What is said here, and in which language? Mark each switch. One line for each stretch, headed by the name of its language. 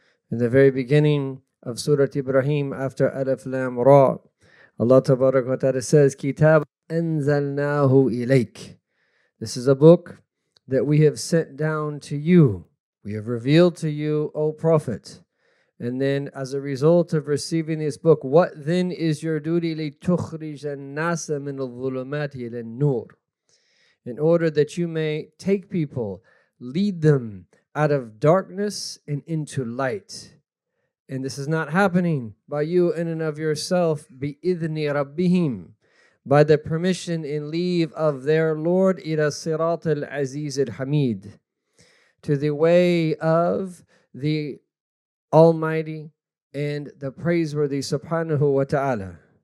English: In the very beginning of Surah Ibrahim after Alif Lam Ra, Allah Tabarak wa Ta'ala says,
Arabic: Kitab anzalnahu ilayk.
English: This is a book that we have sent down to you. We have revealed to you, O Prophet. And then as a result of receiving this book, what then is your duty?
Arabic: لتخرج الناس من الظلمات إلى النور.
English: In order that you may take people, lead them out of darkness and into light. And this is not happening by you in and of yourself,
Arabic: بِإِذْنِ رَبِّهِمْ,
English: by the permission and leave of their Lord,
Arabic: إِلَى صِرَاطِ الْعَزِيزِ الْحَمِيدِ,
English: to the way of the Almighty and the Praiseworthy, Subhanahu wa Ta'ala.